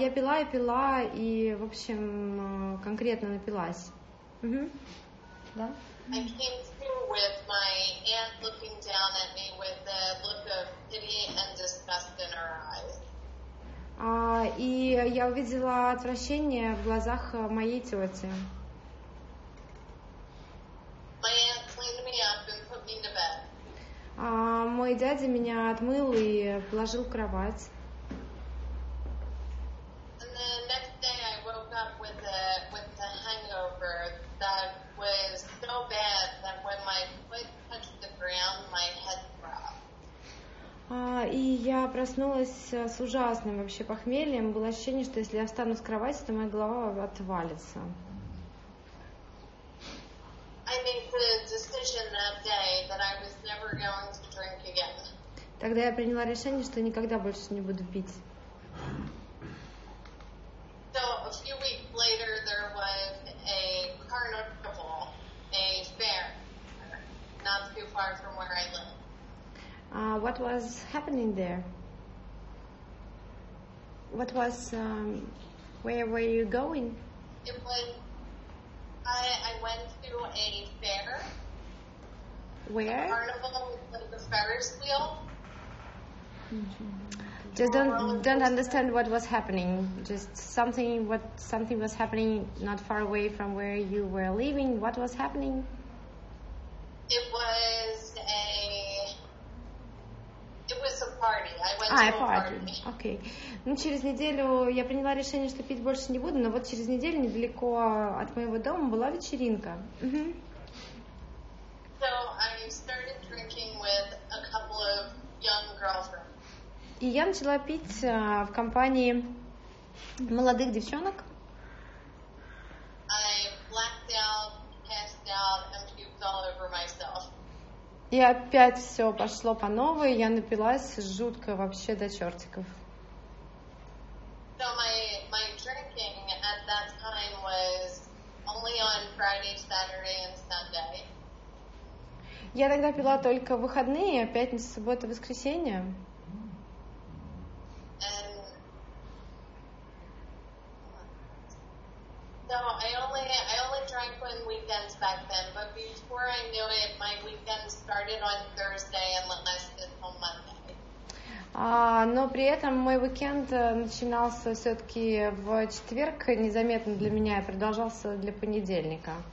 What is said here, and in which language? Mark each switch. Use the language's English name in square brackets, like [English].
[Russian] Я пила и пила, и, в общем, конкретно напилась. Да? [English] I came to with my aunt looking down at me with a look of pity and disgust in her eyes. [Russian] И я увидела отвращение в глазах моей тети. [English] My aunt cleaned me up and put me to bed. [Russian] Мой дядя меня отмыл и положил в кровать. [English] And the next day I woke up with a hangover that was so bad that when my foot touched the ground, my head dropped. [Russian] И я проснулась с ужасным вообще похмельем. Было ощущение, что если я встану с кровати, то моя голова отвалится. [English] I made the decision that day that I was never going to drink again. [Russian] Тогда я приняла решение, что никогда больше не буду пить. [English] So a few weeks later there was a carnival, a fair, not too far from where I live. What was happening there? What was, where were you going? It was, I went to a fair. Where? A carnival, like a Ferris wheel. Just don't understand what was happening. Just something was happening not far away from where you were living. What was happening? It was a... It was a party. Okay. [Russian] Ну, через неделю я приняла решение, что пить больше не буду, но вот через неделю недалеко от моего дома была вечеринка. [English] So I started drinking with a couple of young girls. [Russian] И я начала пить в компании молодых девчонок. [English] I blacked out, passed out, and puked all over myself. [Russian] И опять все пошло по новой, я напилась жутко вообще до чертиков. [English] So my drinking at that time was only on Friday, Saturday and Sunday. [Russian] Я тогда пила только выходные, пятница, суббота, воскресенье. [English] So I only drank on weekends back then, but before I knew it, my weekend started on Thursday and lasted till Monday. [Russian] Но при этом мой уикенд начинался все-таки в четверг, незаметно для меня, и продолжался до понедельника.